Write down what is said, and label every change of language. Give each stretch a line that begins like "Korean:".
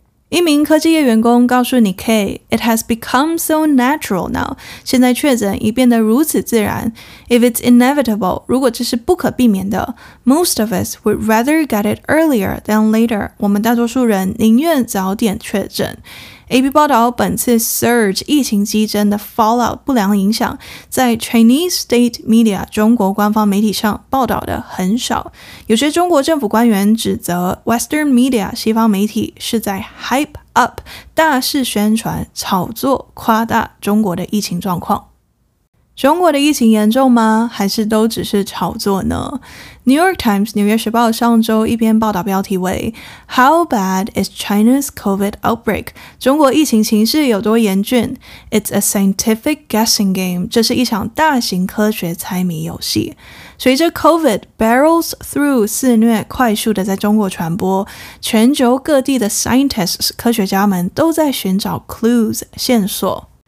Chinese: 一名科技业员工告诉 Nikkei，
English: It has become so natural now，
Chinese: 现在确诊已变得如此自然。
English: If it's inevitable，
Chinese: 如果这是不可避免的，
English: Most of us would rather get it earlier than later，
Chinese: 我们大多数人宁愿早点确诊。 AP 报道，本次 surge 疫情激增的 fallout 不良影响在 Chinese state media 中国官方媒体上报道的很少，有些中国政府官员指责 Western media 西方媒体是在 hype up 大肆宣传炒作夸大中国的疫情状况。中国的疫情严重吗？还是都只是炒作呢？
English: New York Times
Chinese: 纽约时报上周一篇报道标题为
English: How bad is China's COVID outbreak?
Chinese: 中国疫情情势有多严峻？
English: It's a scientific guessing game，
Chinese: 这是一场大型科学猜谜游戏。随着
English: COVID barrels through
Chinese: 肆虐快速的在中国传播，全球各地的 scientists 科学家们都在寻找 clues 线索。